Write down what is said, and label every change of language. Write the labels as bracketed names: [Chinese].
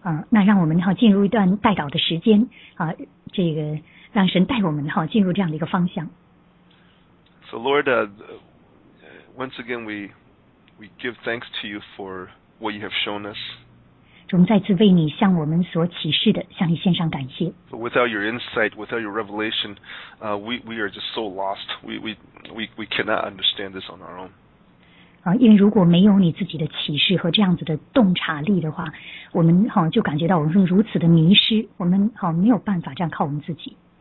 [Chinese] 那让我们进入一段代祷的时间这个让神带我们进入这样的一个方向。 [English] So Lord, once again we give thanks to you for what you have shown us. [Chinese] 我们再次为你向我们所启示的向你献上感谢。 [English] But without your insight, without your revelation, we are just so lost. We cannot understand this on our own. [Chinese] 因为如果没有你自己的启示和这样子的洞察力的话，我们就感觉到我们如此的迷失，我们没有办法这样靠我们自己。